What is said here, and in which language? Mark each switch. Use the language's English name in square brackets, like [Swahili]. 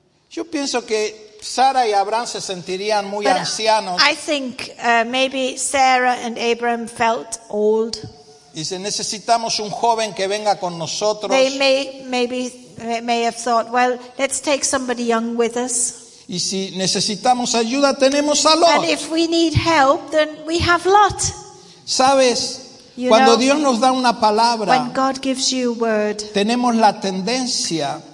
[Spanish] Yo pienso que Sara y Abraham se sentirían muy ancianos. [English] I think maybe Sarah and Abraham felt old. [Spanish] Y si necesitamos un joven que venga con nosotros. [English] They may have thought, well, let's take somebody young with us. [Spanish] Y si necesitamos ayuda, tenemos a Lot. [English] And if we need help, then we have Lot. [Spanish] ¿Sabes? [English] You [Spanish] cuando [English] know, [Spanish] Dios nos da una palabra, [English] when God gives you word, [Spanish] tenemos la tendencia,